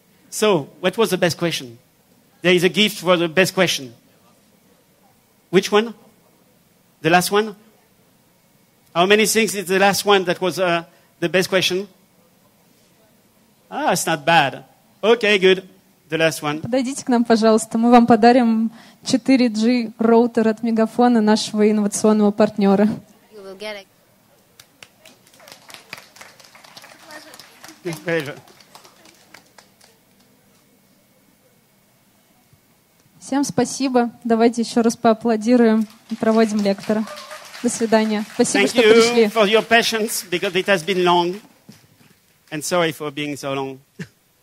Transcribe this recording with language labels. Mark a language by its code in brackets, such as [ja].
[en] So, what was the best question? There is a gift for the best question. Which one? The last one? How many things is the last one that was the best question? Ah, it's not bad. Okay, good. The last one. [ru] Подойдите к нам, пожалуйста. Мы вам подарим 4G роутер от Мегафона нашего инновационного партнера. [en] You will get it. Pleasure. [ru] Всем спасибо. Давайте еще раз поаплодируем и проводим лектора. До свидания. Спасибо, [en] Thank [ru] что пришли. [en] Thank you for your patience, because it has been long. And sorry for being so long.